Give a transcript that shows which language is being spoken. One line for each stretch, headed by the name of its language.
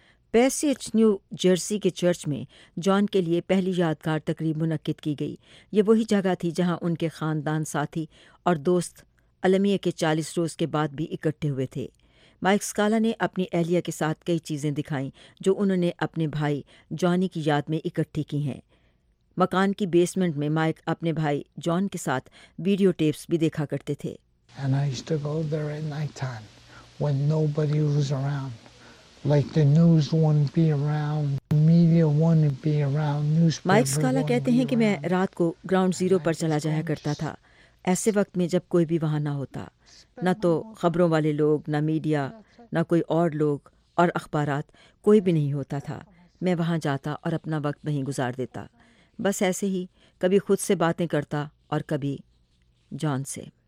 Urdu: Passage new Jersey کے church میں جان کے لیے پہلی یادگار تقریب منعقد کی گئی۔ یہ وہی جگہ تھی جہاں ان کے خاندان ساتھی اور دوست المیہ کے 40 روز کے بعد بھی اکٹھے ہوئے تھے۔ مائک سکالا نے اپنی اہلیہ کے ساتھ کئی چیزیں دکھائیں جو انہوں نے اپنے بھائی جانی کی یاد میں اکٹھی کی ہیں۔ مکان کی بیسمنٹ میں مائک اپنے بھائی جان کے ساتھ ویڈیو ٹیپس بھی دیکھا کرتے تھے۔
English: And I used to go there at night time when nobody was around. Like the news wouldn't be around, media wouldn't be around, newspaper.
Urdu: Mic سکالا کہتے ہیں کہ میں رات کو گراؤنڈ زیرو پر چلا جایا کرتا تھا، ایسے وقت میں جب کوئی بھی وہاں نہ ہوتا، نہ تو خبروں والے لوگ، نہ میڈیا، نہ کوئی اور لوگ اور اخبارات، کوئی بھی نہیں ہوتا تھا۔ میں وہاں جاتا اور اپنا وقت وہیں گزار دیتا، بس ایسے ہی کبھی خود سے باتیں کرتا اور کبھی جان سے۔